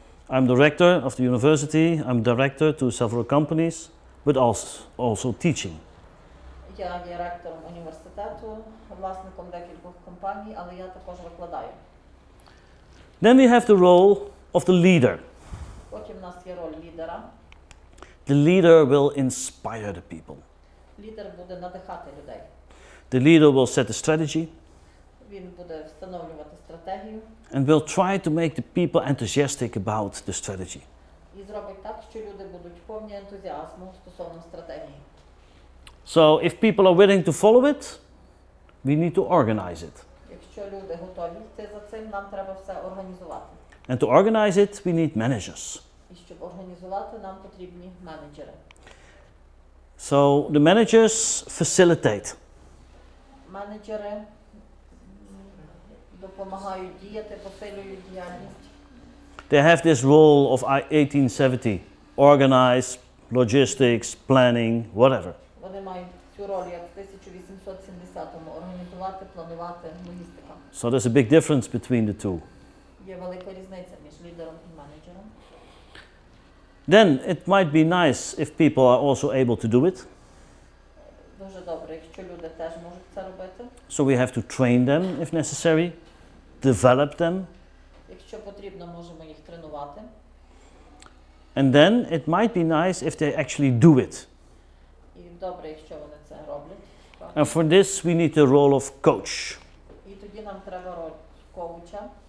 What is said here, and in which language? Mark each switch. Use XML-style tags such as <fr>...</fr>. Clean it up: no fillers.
<en>I'm director of the university, I'm director to several companies, but also teaching.</en> <uk>я є ректором університету, власником декількох компаній, але я також викладаю.</uk> <en>Then we have the role of the leader.</en> <uk>Потім у нас є роль лідера.</uk> <en>The leader will inspire the people.</en> <uk>Лідер буде надихати людей.</uk> <en>The leader will set the strategy.</en> <uk>Він буде встановлювати стратегію.</uk> <en>And will try to make the people enthusiastic about the strategy.</en> <uk>І зробить так, що люди будуть повні ентузіазму стосовно стратегії.</uk> <en>So if people are willing to follow it, we need to organize it.</en> <uk>Якщо люди готові йти за цим, нам треба все організувати.</uk> <en>And to organize it, we need managers.</en> <uk>І щоб організувати, нам потрібні менеджери.</uk> <en>So the managers facilitate.</en> <uk>Менеджери допомагають діяти, посилюють діяльність.</uk> <en>They have this role of 1870. Organize, logistics, planning, whatever.</en> <uk>Вони мають цю роль, як в 1870-му, організувати, планувати, логістика.</uk> <en>So there's a big difference between the two.</en> <uk>Є велика різниця між лідером і менеджером.</uk> <en>Then it might be nice if people are also able to do it.</en> <uk>Дуже добре, якщо люди теж можуть це робити.</uk> <en>So we have to train them if necessary, develop them.</en> <uk>Якщо потрібно, можемо їх тренувати.</uk> <en>And then it might be nice if they actually do it.</en> <uk>І добре, якщо вони це роблять.</uk> <en>And for this we need the role of coach.</en> <uk>І тоді нам треба роль коуча.</uk>